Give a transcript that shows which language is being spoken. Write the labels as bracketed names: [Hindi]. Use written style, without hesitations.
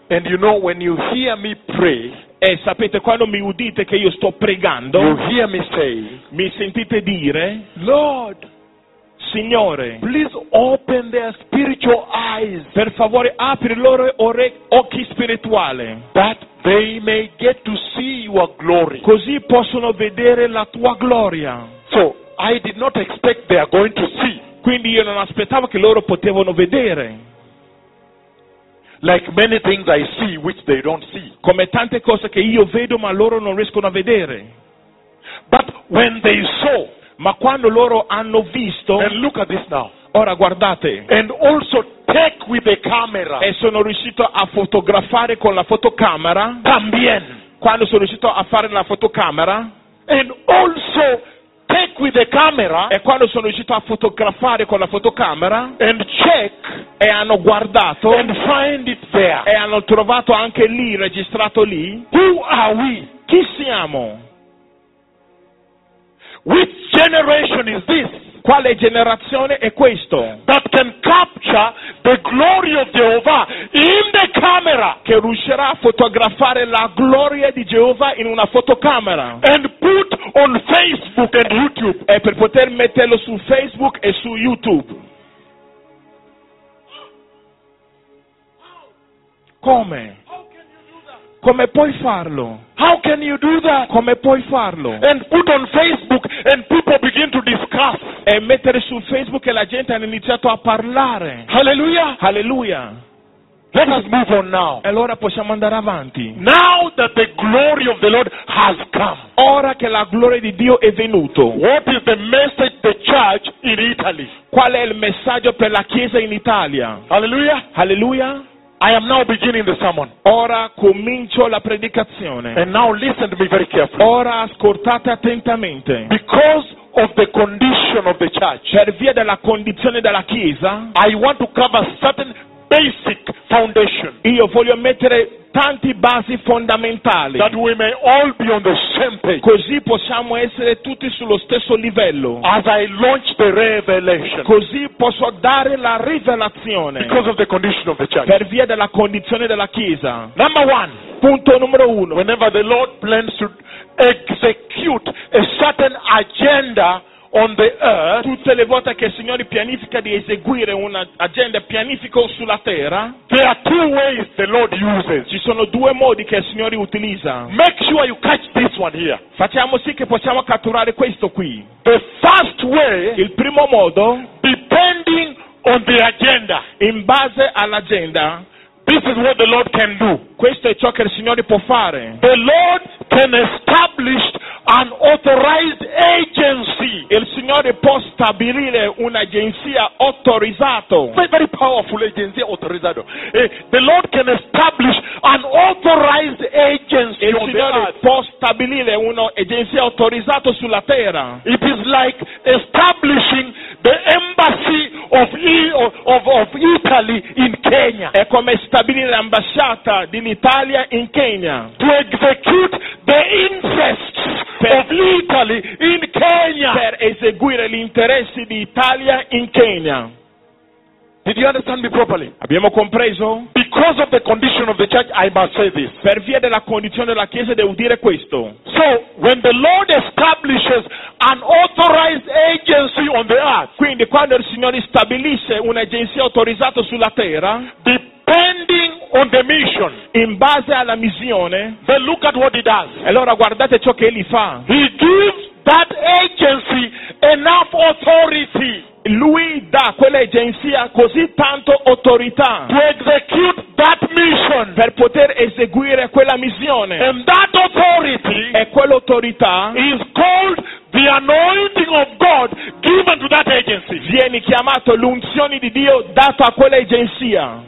[English] And you know when you hear me pray. [Italian] E sapete, quando mi udite che io sto pregando, [English] you hear me say, [Italian] mi sentite dire, [English] Lord, [Italian] Signore, [English] please open their spiritual eyes, [Italian] per favore apri loro occhi spirituali, [English] that they may get to see your glory. [Italian] Così possono vedere la tua gloria. [English] So, I did not expect they are going to see. [Italian] Quindi io non aspettavo che loro potevano vedere. [English] Like many things I see which they don't see. [Italian] Come tante cose che io vedo ma loro non riescono a vedere. [English] But when they saw, [Italian] ma quando loro hanno visto, [English] and look at this now, [Italian] ora guardate, [English] and also take with the camera, [Italian] e sono riuscito a fotografare con la fotocamera, [Spanish] también, [Italian] quando sono riuscito a fare la fotocamera, [English] and also take with the camera, [Italian] e quando sono riuscito a fotografare con la fotocamera, [English] and check, [Italian] e hanno guardato, [English] and find it there, [Italian] e hanno trovato anche lì, registrato lì. [English] Who are we? [Italian] Chi siamo? [English] Which generation is this? [Italian] Quale generazione è questo? [English] That can capture the glory of Jehovah in the camera. [Italian] Che riuscirà a fotografare la gloria di Jehovah in una fotocamera. [English] And put on Facebook and YouTube. [Italian] E per poter metterlo su Facebook e su YouTube. Come? Come puoi farlo? [English] How can you do that? [Italian] Come puoi farlo? [English] And put on Facebook and people begin to discuss. [Italian] E mettere su Facebook e la gente ha iniziato a parlare. Hallelujah. Hallelujah. [English] Let us move on now. [Italian] E allora possiamo andare avanti. [English] Now that the glory of the Lord has come. [Italian] Ora che la gloria di Dio è venuto. [English] What is the message the church in Italy? [Italian] Qual è il messaggio per la chiesa in Italia? Hallelujah. Hallelujah. [English] I am now beginning the sermon. [Italian] Ora comincio la predicazione. [English] And now listen to me very carefully. [Italian] Ora ascoltate attentamente. [English] Because of the condition of the church. [Italian] Per via della condizione della chiesa. [English] I want to cover certain basic foundation. [Italian] Io voglio mettere tanti basi fondamentali. [English] That we may all be on the same page. [Italian] Così possiamo essere tutti sullo stesso livello. [English] As I launch the revelation. [Italian] Così posso dare la rivelazione. [English] Because of the condition of the church. [Italian] Per via della condizione della chiesa. [English] Number one. [Italian] Punto numero uno. [English] Whenever the Lord plans to execute a certain agenda on the earth, [Italian] tutte le volte che il Signore pianifica di eseguire un'agenda pianifico sulla terra, [English] there are two ways the Lord uses. [Italian] Ci sono due modi che il Signore utilizza. [English] Make sure you catch this one here. [Italian] Facciamo sì che possiamo catturare questo qui. [English] The first way, [Italian] il primo modo, [English] depending on the agenda, [Italian] in base all'agenda, [English] this is what the Lord can do. [Italian] Questo è ciò che il Signore può fare. [English] The Lord can establish an authorized agency. [Italian] Il Signore può stabilire un'agenzia autorizzata. [English] Very, very powerful agency autorizzato. The Lord can establish an authorized agency. [Italian] Il Signore può stabilire un'agenzia autorizzata sulla terra. [English] It is like establishing the embassy of Italy in Kenya. [Italian] È come stabilire l'ambasciata dell'Italia in Kenya. [English] To execute the interests of Italy in Kenya. [Italian] Per eseguire gli interessi di Italia in Kenya. [English] Did you understand me properly? [Italian] Abbiamo compreso? [English] Because of the condition of the church, I must say this. [Italian] Per via della condizione della chiesa devo dire questo. [English] So when the Lord establishes an authorized agency on the earth, [Italian] quindi quando il Signore stabilisce un'agenzia autorizzata sulla terra, [English] depending on the mission, [Italian] in base alla missione, [English] then look at what he does. [Italian] Allora guardate ciò che egli fa. [English] He gives that agency enough authority. [Italian] Lui dà quella agenzia così tanto autorità [English] to execute that mission, [Italian] per poter eseguire quella missione. [English] And that authority, [Italian] e quell'autorità, [English] is called the anointing of God given to that agency. [Italian] Viene chiamato l'unzione di Dio data a quella agenzia.